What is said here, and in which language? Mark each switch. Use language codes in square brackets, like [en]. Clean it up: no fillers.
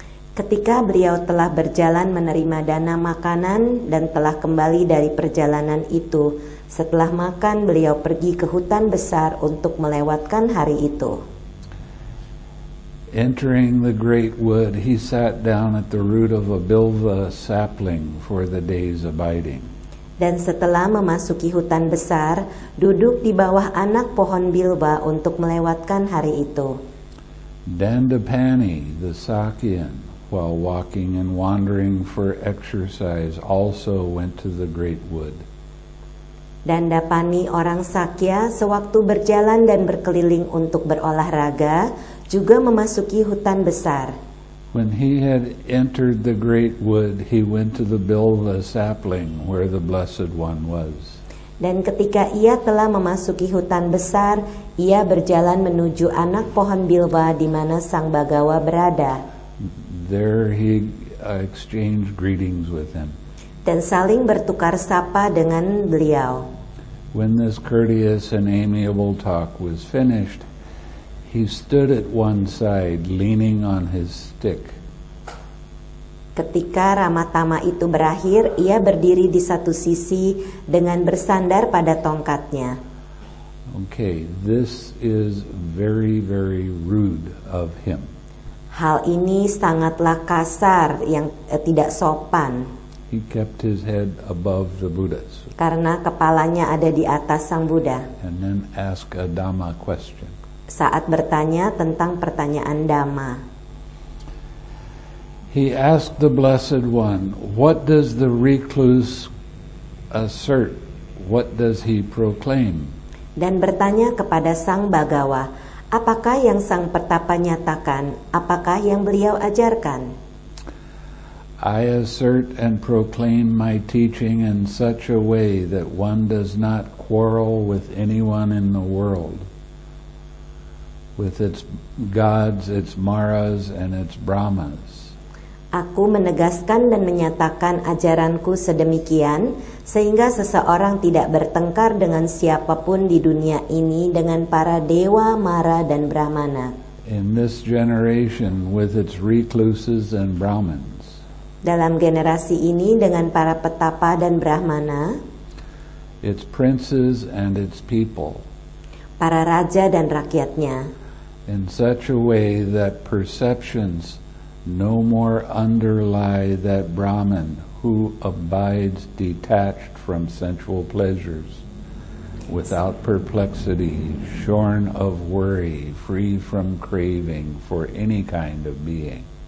[id] Ketika beliau telah berjalan menerima dana makanan dan telah kembali dari perjalanan itu, setelah makan beliau pergi ke hutan besar untuk melewatkan hari itu. [en] Entering the great wood, he sat down at the root of a bilva sapling for the day's abiding. [id] Dan setelah memasuki hutan besar, duduk di bawah anak pohon bilba untuk melewatkan hari itu. [en] Dandapani, the Sakyan, while walking and wandering for exercise, also went to the great wood. [id] Dandapani, orang Sakya, sewaktu berjalan dan berkeliling untuk berolahraga, juga memasuki hutan besar. [en] When he had entered the great wood, he went to the bilva sapling where the Blessed One was. [id] Dan ketika ia telah memasuki hutan besar, ia berjalan menuju anak pohon bilva di mana Sang Bhagawa berada. [en] There he exchanged greetings with him. [id] Dan saling bertukar sapa dengan beliau. [en] When this courteous and amiable talk was finished, he stood at one side, leaning on his stick. [id] Ketika ramatama itu berakhir, ia berdiri di satu sisi dengan bersandar pada tongkatnya. [en] Okay, this is very, very rude of him. [id] Hal ini sangatlah kasar yang tidak sopan. [en] He kept his head above the Buddha's. [id] Karena kepalanya ada di atas Sang Buddha. [en] And then ask a Dhamma question. [id] Saat bertanya tentang pertanyaan Dhamma. [en] He asked the Blessed One, what does the recluse assert? What does he proclaim? [id] Dan bertanya kepada Sang Bhagawa, apakah yang Sang Pertapa nyatakan? Apakah yang beliau ajarkan? [en] I assert and proclaim my teaching in such a way that one does not quarrel with anyone in the world, with its gods, its maras, and its brahmas. [id] Aku menegaskan dan menyatakan ajaranku sedemikian sehingga seseorang tidak bertengkar dengan siapapun di dunia ini dengan para dewa, mara, dan brahmana. [en] In this generation, with its recluses and brahmins. [id] Dalam generasi ini dengan para petapa dan brahmana. [en] Its princes and its people. [id] Para raja dan rakyatnya. [en] In such a way that perceptions no more underlie that Brahman who abides detached from sensual pleasures, without perplexity, shorn of worry, free from craving for any kind of being.